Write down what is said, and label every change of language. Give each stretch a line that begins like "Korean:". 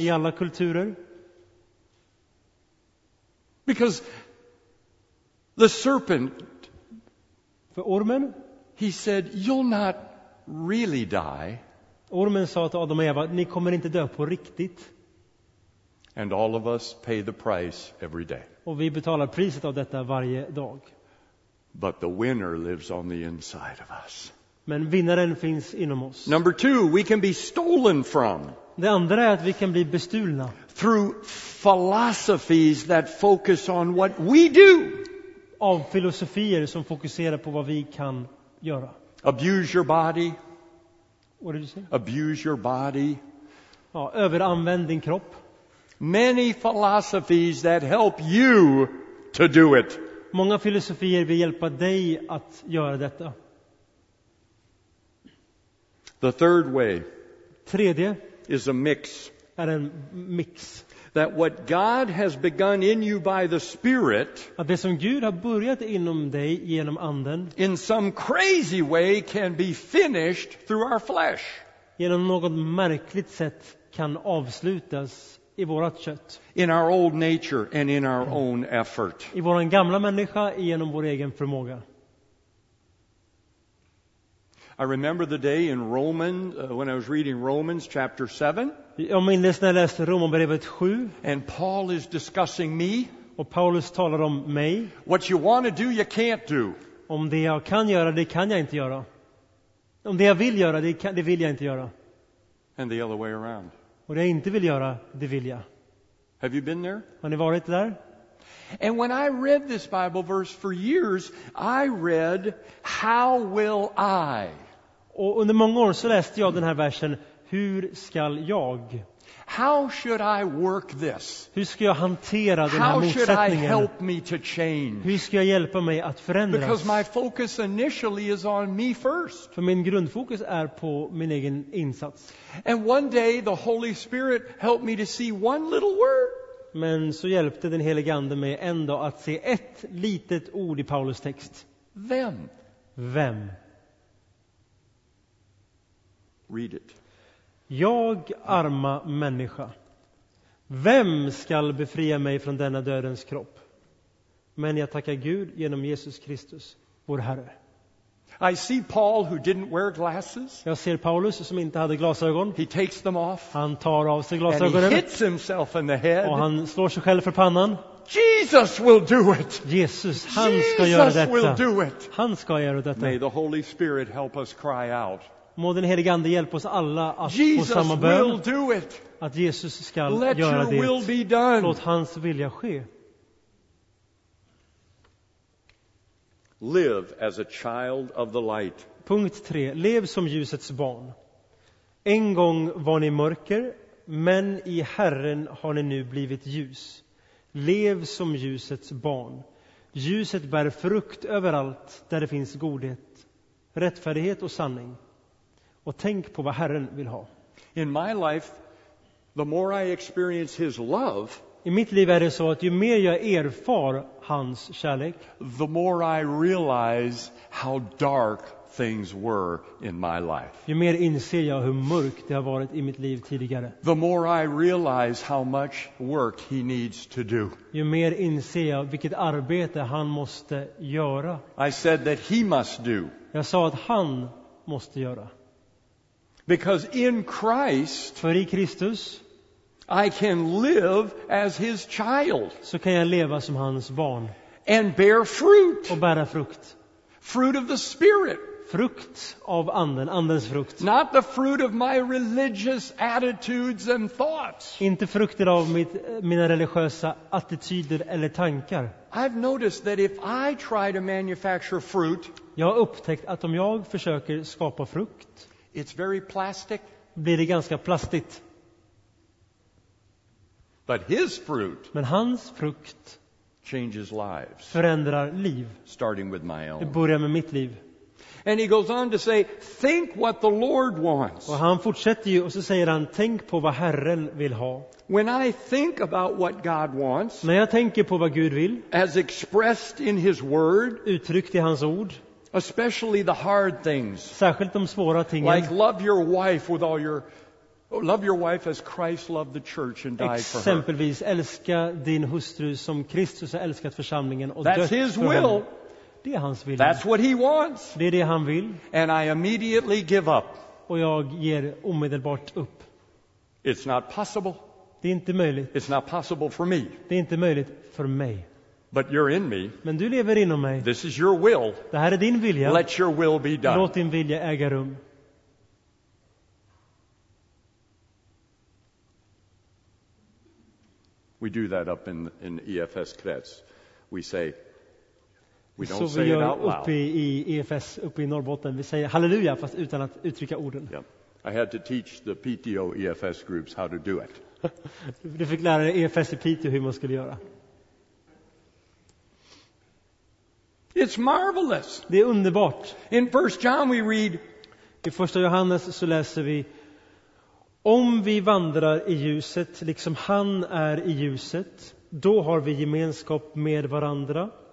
Swedish: I alla kulturer.
English: Because the serpent.
Swedish: För ormen.
English: He said, "You'll not really die."
Swedish: Ormen sa till Adam och Eva, ni kommer inte dö på riktigt.
English: And all of us pay the price every day.
Swedish: Och vi betalar priset av detta varje dag.
English: But the winner lives on the inside of us.
Swedish: Men vinnaren finns inom oss.
English: Number two, we can be stolen from.
Swedish: Det andra är att vi kan bli bestulna.
English: Through philosophies that focus on what we do.
Swedish: Av filosofier som fokuserar på vad vi kan göra.
English: Abuse your body. What did you say? Abuse your body.
Swedish: Ja, överanvänd din kropp.
English: Many philosophies that help you to do it.
Swedish: Många filosofier vill hjälpa dig att göra detta.
English: The third way.
Swedish: Tredje.
English: Is a mix.
Swedish: Är en mix.
English: That what God has begun in you by the Spirit.
Swedish: Att det som Gud har börjat inom dig genom anden.
English: In some crazy way can be finished through our flesh.
Swedish: Genom något märkligt sätt kan avslutas i vårat kött.
English: In our old nature and in our own effort.
Swedish: I våran gamla människa genom vår egen förmåga.
English: I remember the day in Romans when I was reading Romans chapter 7.
Swedish: Jag minns när jag läste Romarbrevet 7.
English: And Paul is discussing me.
Swedish: Och Paulus talar om mig.
English: What you want to do you can't do.
Swedish: Om det jag kan göra det kan jag inte göra. Om det jag vill göra det vill jag inte göra.
English: And the other way around.
Swedish: Och det jag inte vill göra det vill jag.
English: Have you been there?
Swedish: Har ni varit där?
English: And when I read this Bible verse for years, I read, how will I?
Swedish: Och under många år så läste jag den här versen, hur ska jag?
English: How should I work this?
Swedish: Hur ska jag hantera den här motsättningen?
English: How should I help me to change?
Swedish: Hur ska jag hjälpa mig att förändras?
English: Because my focus initially is on me first.
Swedish: För min grundfokus är på min egen insats.
English: And one day the Holy Spirit helped me to see one little word.
Swedish: Men så hjälpte den helige ande mig ändå att se ett litet ord i Paulus text. Vem? Vem?
English: Read it.
Swedish: Jag, arma människa, vem skall befria mig från denna dödens kropp? Men jag tackar Gud genom Jesus Kristus, vår Herre.
English: I see Paul who didn't wear glasses.
Swedish: Jag ser Paulus som inte hade glasögon.
English: He takes them off.
Swedish: Han tar av sig glasögonen.
English: And he hits himself in the head.
Swedish: Och han slår sig själv för pannan.
English: Jesus will do it.
Swedish: Jesus, han ska göra detta.
English: Jesus will do it.
Swedish: Han ska göra detta.
English: May the Holy Spirit help us cry out.
Swedish: Må den helige ande hjälpa oss alla att
English: Jesus
Swedish: på samma bön.
English: Will do it.
Swedish: Att Jesus ska
English: Let
Swedish: göra
English: your
Swedish: det.
English: Will be done.
Swedish: Låt hans vilja ske. Live as a child of the light. Punkt 3. Lev som ljusets barn. En gång var ni mörker, men i Herren har ni nu blivit ljus. Lev som ljusets barn. Ljuset bär frukt överallt där det finns godhet, rättfärdighet och sanning. Och tänk på vad Herren vill ha.
English: In my life, the more I experience his love,
Swedish: i mitt liv är det så att ju mer jag erfar hans kärlek,
English: the more I realize how dark things were in my life.
Swedish: Ju mer inser jag hur mörkt det har varit i mitt liv tidigare.
English: The more I realize how much work he needs to do.
Swedish: Ju mer inser jag vilket arbete han måste göra.
English: I said that he must do.
Swedish: Jag sa att han måste göra.
English: Because in Christ,
Swedish: för i Kristus,
English: I can live as his child.
Swedish: Så kan jag leva som hans barn.
English: And bear fruit.
Swedish: Och bära frukt.
English: Fruit of the spirit.
Swedish: Frukt av anden, andens frukt.
English: Not the fruit of my religious attitudes and thoughts.
Swedish: Inte frukter av mina religiösa attityder eller tankar.
English: I've noticed that if I try to manufacture fruit,
Swedish: jag har upptäckt att om jag försöker skapa frukt,
English: it's very plastic.
Swedish: Blir det ganska plastigt.
English: But his fruit,
Swedish: men hans frukt,
English: changes lives,
Swedish: förändrar liv,
English: starting with my own.
Swedish: Det börjar med mitt liv.
English: And he goes on to say, think what the Lord wants.
Swedish: Och han fortsätter ju och så säger han, tänk på vad Herren vill ha.
English: When I think about what God wants,
Swedish: när jag tänker på vad Gud vill,
English: as expressed in his word,
Swedish: uttryckt i hans ord,
English: especially the hard things,
Swedish: särskilt de svåra tingen,
English: like love your wife with all your love your wife as Christ loved the church and died for her.
Swedish: Exempelvis älska din hustru som Kristus har älskat församlingen och
English: That's his will.
Swedish: Det är hans vilja.
English: That's what he wants.
Swedish: Det är det han vill.
English: And I immediately give up.
Swedish: Och jag ger omedelbart upp.
English: It's not possible.
Swedish: Det är inte möjligt.
English: It's not possible for me.
Swedish: Det är inte möjligt för mig.
English: But you're in me.
Swedish: Men du lever inom mig.
English: This is your will.
Swedish: Det här är din vilja.
English: Let your will be done.
Swedish: Låt din vilja äga rum.
English: We do that up in EFS krets. We say we don't say it out loud.
Swedish: Så vi gör uppe i EFS uppe i Norrbotten. Vi säger halleluja fast utan att uttrycka orden.
English: Yeah. I had to teach the PTO EFS groups how to do it.
Swedish: Du fick lära dig EFS i PTO hur man skulle göra.
English: It's marvelous.
Swedish: Det är underbart.
English: In First John we read,
Swedish: i första Johannes så läser vi, om vi vandrar i ljuset, liksom han är i ljuset, då har vi gemenskap med varandra.